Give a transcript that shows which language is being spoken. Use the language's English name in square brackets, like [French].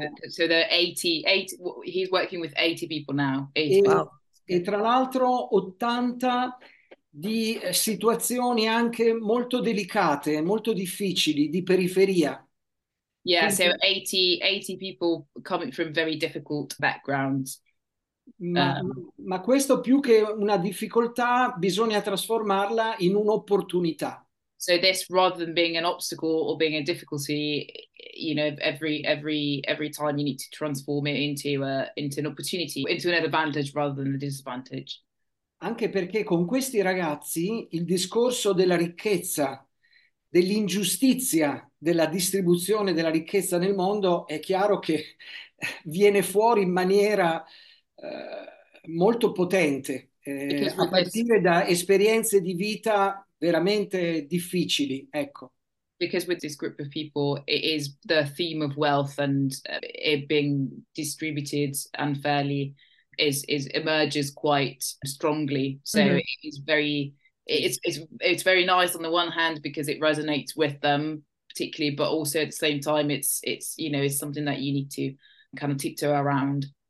[English] So there are 80, he's working with 80 people now. [Italian] E tra l'altro 80 di situazioni anche molto delicate, molto difficili, di periferia. [English] Yeah, so 80 people coming from very difficult backgrounds. [Italian] Ma questo più che una difficoltà, bisogna trasformarla in un'opportunità. [English] So this, rather than being an obstacle or being a difficulty, you know, every time you need to transform it into an opportunity, into an advantage rather than a disadvantage. [Italian] Anche perché con questi ragazzi il discorso della ricchezza, dell'ingiustizia, della distribuzione della ricchezza nel mondo, è chiaro che viene fuori in maniera molto potente, a partire da esperienze di vita veramente difficili, ecco. [English] Because with this group of people, it is the theme of wealth and it being distributed unfairly is emerges quite strongly. So mm-hmm. It's very nice on the one hand because it resonates with them particularly, but also at the same time it's you know, it's something that you need to kind of tiptoe around.